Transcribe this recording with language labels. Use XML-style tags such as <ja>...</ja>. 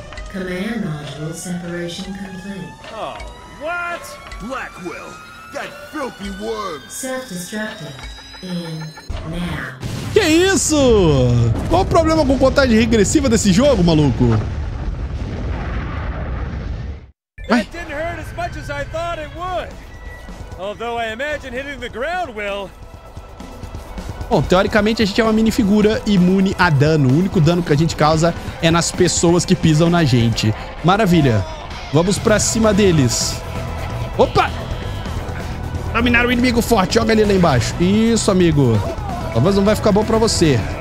<en>Command module separation complete. Oh, what? Blackwell. That filthy worm! Self-destructive. In</en> <pt>Que isso? Qual o problema com contagem regressiva desse jogo, maluco?</pt> <en>That didn't hurt as much as I thought it would. Although I imagine hitting the ground will.</en> <pt>Bom, teoricamente a gente é uma minifigura imune a dano. O único dano que a gente causa é nas pessoas que pisam na gente. Maravilha. Vamos pra cima deles. Opa! Dominar o inimigo forte. Joga ele lá embaixo. Isso, amigo. Talvez não vai ficar bom pra você.</pt>